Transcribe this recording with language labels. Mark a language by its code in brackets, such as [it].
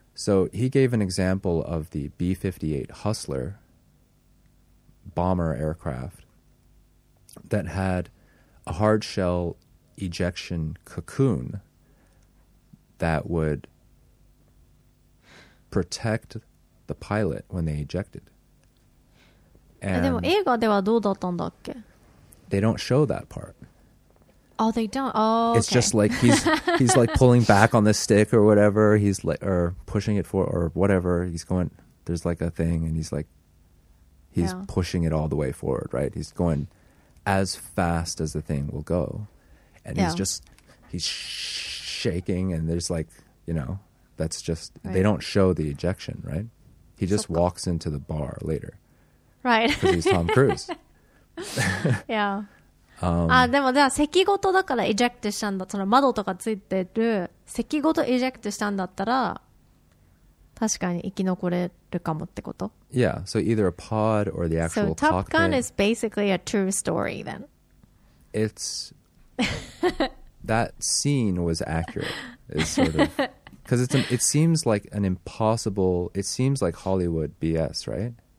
[en] So he gave an example of the B-58 Hustler bomber aircraft that had a hard shell ejection cocoon that would protect the pilot when they ejected. And [ja] でも映画ではどうだったんだっけ? [en] They don't show that part. Oh, they don't. Oh, okay. It's just like he's like pulling back on the stick or whatever. He's like, or pushing it forward or whatever. He's going, there's like a thing and he's like, he's pushing it all the way forward, right? He's going as fast as the thing will go. And he's just, he's shaking and there's like, you know, that's just, they don't show the ejection, right? He just walks into the bar later. Right. Because he's Tom Cruise. yeah. [ja] でもじゃあ席ごとだからエジェクトしたんだ。その窓とかついてる席ごとエジェクトしたんだったら確かに生き残れるかもってこと。 [en] Yeah. So either a pod or the actual So Top Gun is basically a true story then. It's that scene was accurate. It's sort of, because it seems like an impossible, it seems like Hollywood BS, right?